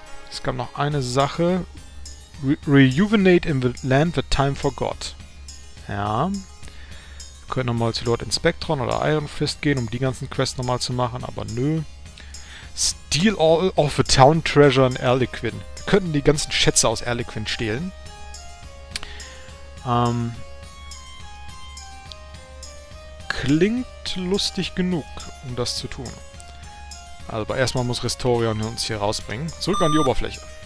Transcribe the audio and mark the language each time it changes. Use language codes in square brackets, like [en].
[de] Es gab noch eine Sache. [en] Rejuvenate in the land the time forgot. [de] Ja. Wir können nochmal zu Lord Inspectron oder Iron Fist gehen, um die ganzen Quests nochmal zu machen, aber nö. [en] Steal all of the town treasure in Arlequin. [de] Wir könnten die ganzen Schätze aus Arlequin stehlen. Klingt lustig genug, um das zu tun. Also, aber erstmal muss Restorion uns hier rausbringen. Zurück an die Oberfläche.